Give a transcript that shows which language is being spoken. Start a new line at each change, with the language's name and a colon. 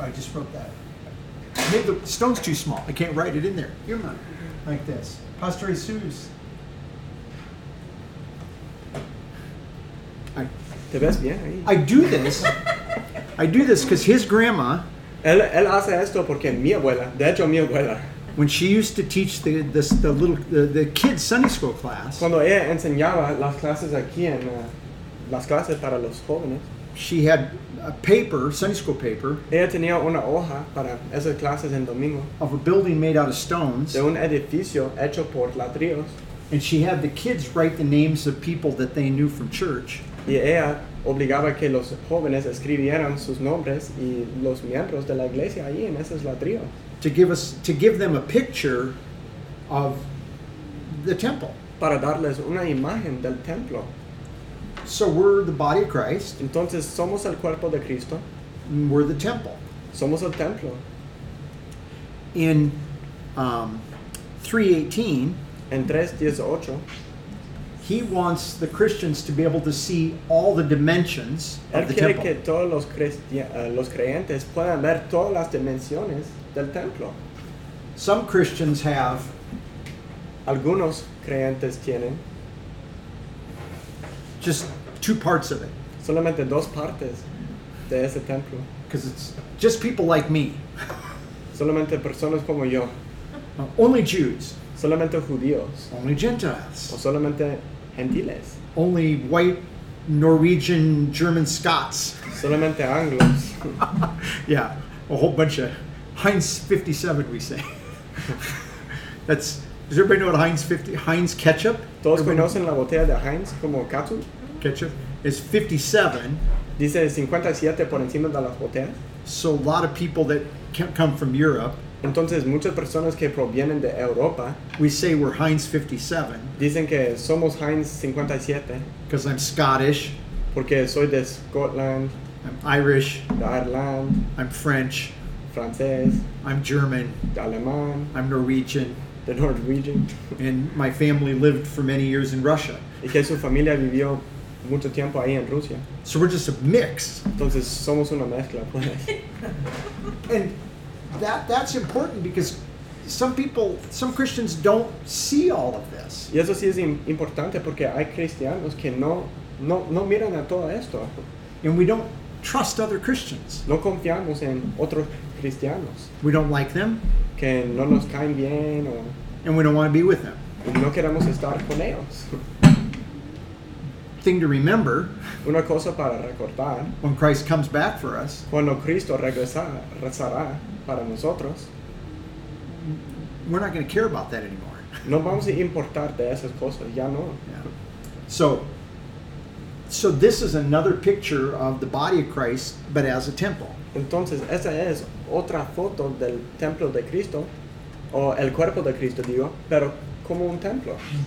English: I just wrote that. I made the stones too small. I can't write it in there. Irma. Like this. Pastor Jesus.
Spanish: Te ves bien ahí.
English: I do this because his grandma.
Spanish: Él hace esto porque mi abuela, de hecho mi abuela.
English: When she used to teach the kids Sunday school class.
Spanish: Cuando ella enseñaba las clases aquí en las clases para los jóvenes.
English: She had a paper, Sunday school paper.
Spanish: Ella tenía una hoja para esas clases en domingo.
English: Of a building made out of stones.
Spanish: De un edificio hecho por ladrillos.
English: And she had the kids write the names of people that they knew from church.
Spanish: Y ella obligaba que los jóvenes escribieran sus nombres y los miembros de la iglesia ahí en ese ladrillo.
English: To give them a picture of the temple.
Spanish: Para darles una imagen del templo.
English: So we're the body of Christ.
Spanish: Entonces somos el cuerpo de Cristo.
English: We're the temple.
Spanish: Somos el templo.
English: In 3:18.
Spanish: En 3:18.
English: He wants the Christians to be able to see all the dimensions
Spanish: él
English: of the
Spanish: quiere
English: temple.
Spanish: Que todos los creyentes puedan ver todas las dimensiones del templo.
English: Some Christians have.
Spanish: Algunos creyentes tienen.
English: Just two parts of it.
Spanish: Solamente dos partes de ese templo.
English: Because it's just people like me.
Spanish: Solamente personas como yo.
English: Only Jews.
Spanish: Solamente judíos.
English: Only Gentiles.
Spanish: O solamente gentiles.
English: Only white, Norwegian, German Scots.
Spanish: Solamente anglos.
English: Yeah, a whole bunch of Heinz 57, we say. That's, does everybody know what Heinz 50, Heinz ketchup?
Spanish: Todos conocen la botella de Heinz como ketchup?
English: Ketchup. It's 57.
Spanish: Dice 57 por encima de las botellas.
English: So a lot of people that can't come from Europe.
Spanish: Entonces, muchas personas que provienen de Europa,
English: we say we're Heinz 57.
Spanish: Dicen que somos Heinz 57.
English: Because I'm Scottish.
Spanish: Porque soy de Scotland.
English: I'm Irish.
Spanish: De Ireland.
English: I'm French.
Spanish: Francés.
English: I'm German.
Spanish: De Alemán.
English: I'm Norwegian.
Spanish: De Norwegian.
English: And my family lived for many years in Russia.
Spanish: Y que su familia vivió mucho tiempo ahí en Rusia.
English: So we're just a mix.
Spanish: Entonces, somos una mezcla, pues.
English: And That's important because some Christians don't see all of this.
Spanish: Y eso sí es importante porque hay cristianos que no miran a todo esto.
English: And we don't trust other Christians.
Spanish: No confiamos en otros cristianos.
English: We don't like them.
Spanish: Que no nos caen bien, o,
English: and we don't want to be with them.
Spanish: Y no queremos estar con ellos.
English: Thing to remember.
Spanish: Una cosa para recordar.
English: When Christ comes back for us.
Spanish: Cuando Cristo regresará para nosotros.
English: We're not going to care about that anymore.
Spanish: No vamos a importar de esas cosas, ya no. Yeah.
English: So this is another picture of the body of Christ, but as a temple.
Spanish: Entonces, esa es otra foto del templo de Cristo, o el cuerpo de Cristo, digo, pero como un templo.